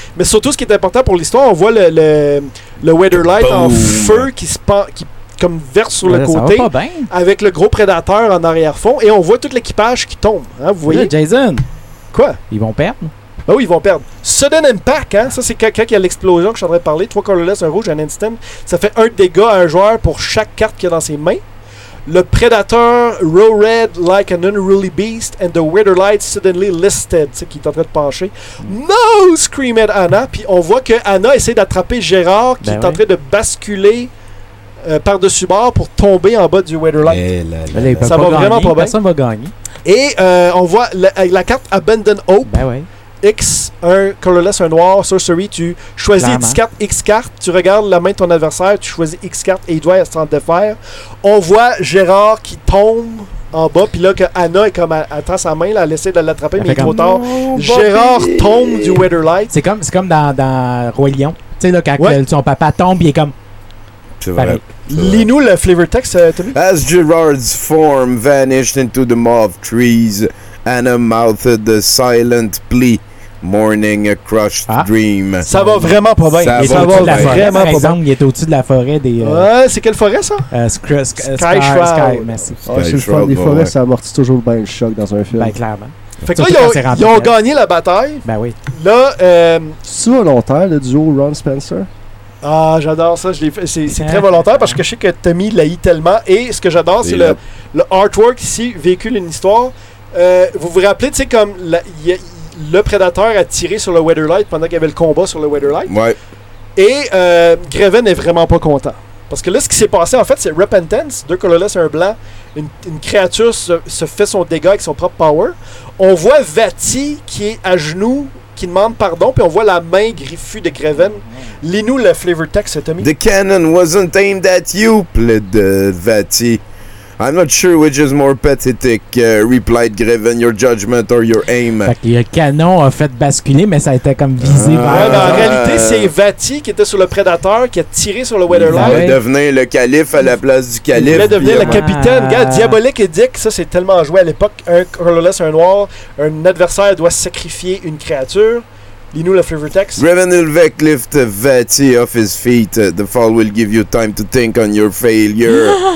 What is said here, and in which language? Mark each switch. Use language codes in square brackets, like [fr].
[fr] Mais surtout ce qui est important pour l'histoire, on voit le Weatherlight en feu qui comme verse sur le côté avec le gros prédateur en arrière fond et on voit tout l'équipage qui tombe. Hein, vous voyez? Là, Jason. Quoi? Ils vont perdre? Ben oui, ils vont perdre. Sudden Impact, hein? Ça, c'est quelqu'un qui a l'explosion que je voudrais parler. 3 colorless, un rouge, un instant. Ça fait un dégât à un joueur pour chaque carte qu'il a dans ses mains. [en] Le Predator, Row Red, like an unruly beast, and the Weatherlight suddenly listed. [fr] Tu sais, qui est en train de pencher. [en] No! Screamed Anna. [fr] Puis on voit que Anna essaie d'attraper Gérard, qui est en train de basculer par-dessus bord pour tomber en bas du Weatherlight. Ça va vraiment pas bien. Personne va gagner. Et on voit la carte Abandon Hope. Ben oui. X, un colorless, un noir, sorcery, tu choisis X carte, X carte, tu regardes la main de ton adversaire, tu choisis X carte et il doit s'en défaire. On voit Gérard qui tombe en bas, puis là que Anna est comme elle tend sa main, là, elle essaie de l'attraper, mais il est trop tard. Gérard tombe du Weatherlight. C'est comme dans Roi Lion. Tu sais, là, quand son papa tombe, il est comme. C'est vrai. Lis-nous le flavor text, Tommy. [en] As Gérard's form vanished into the mauve trees. Anna mouthed the silent plea, mourning a crushed dream. [fr] Ça va vraiment pas bien. Ça va vraiment pas bien. Par exemple, il est au-dessus de la forêt des. C'est quelle forêt ça? Sky Shroud. Sky Shroud. Les forêts, ça amortit toujours bien le choc dans un film. Ben clairement. Fait que là, ils ont gagné la bataille. Ben oui. Là, c'est volontaire le duo Ron Spencer? Ah, j'adore ça. C'est très volontaire parce que je sais que Tommy l'haït tellement. Et ce que j'adore, c'est le artwork ici véhicule une histoire. Vous vous rappelez, tu sais, comme le prédateur a tiré sur le Weatherlight pendant qu'il y avait le combat sur le Weatherlight. Ouais. Et Greven est vraiment pas content. Parce que là, ce qui s'est passé, en fait, c'est Repentance, deux colorless, un blanc. Une créature se fait son dégât avec son propre power. On voit Vati qui est à genoux, qui demande pardon, puis on voit la main griffue de Greven. Lis-nous le flavor text, Tommy. [en] The cannon wasn't aimed at you, plead Vati. I'm not sure which is more pathetic, replied Greven, your judgment or your aim. [fr] Fait que le canon a fait basculer, mais ça a été comme visé par... Ouais, mais en réalité, c'est Vati qui était sur le prédateur, qui a tiré sur le Weatherlight. Il voulait devenir le calife à la place du calife. Il voulait devenir le capitaine. Regarde, Diabolique et Dick, ça c'est tellement joué à l'époque. Un colorless, un noir, un adversaire doit sacrifier une créature. Lis-nous le flavor text. [en] Raven Ulvek lift Vati off his feet. The fall will give you time to think on your failure.